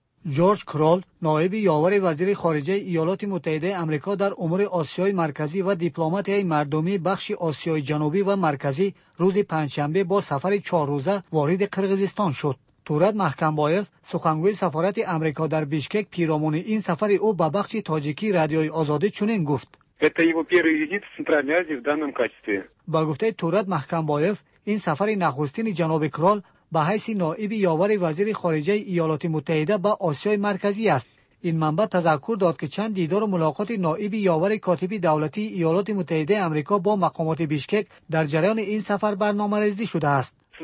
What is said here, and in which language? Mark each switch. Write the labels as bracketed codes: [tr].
[fa] جورج کرول نائب یاور وزیر خارجه ایالات متحده آمریکا در امور آسیای مرکزی و دیپلماتیای مردمی بخش آسیای جنوبی و مرکزی روز پنجشنبه با سفر 4 روزه وارد قرقیزستان شد. تورات محکمبایف سخنگوی سفارت آمریکا در بیشکک پیرامون این سفر او به بخش تاجیکی رادیوی آزادی چنین گفت: [ru] "Это его первый визит в Центральной Азии в данном качестве". [fa] با گفته تورات محکمبایف این سفر نخستین جناب کرول به حیث نائب یاور وزیر خارجه ایالات متحده به آسیای مرکزی است. این منبع تذکر داد که چند دیدار و ملاقات نائب یاور کاتبی دولتی ایالات متحده آمریکا با مقامات بیشکک در جریان این سفر برنامه ریزی شده است.